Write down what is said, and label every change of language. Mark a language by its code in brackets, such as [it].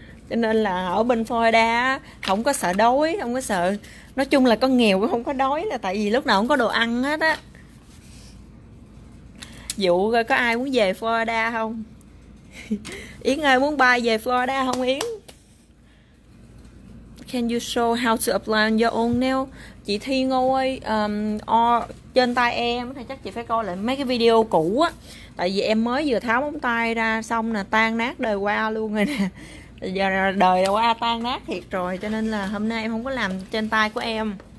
[vi] Cho nên là ở bên Florida không có sợ đói, không có sợ, nói chung là có nghèo cũng không có đói, là tại vì lúc nào cũng có đồ ăn hết á. Dụ rồi có ai muốn về Florida không? Yến ơi muốn bay về Florida không Yến? [en] Can you show how to apply on your own nail? [vi] Chị Thi Ngô ơi, trên tay em thì chắc chị phải coi lại mấy cái video cũ á. Tại vì em mới vừa tháo móng tay ra xong là tan nát đời qua luôn rồi nè. Giờ đời qua tan nát thiệt rồi, cho nên là hôm nay em không có làm trên tay của em.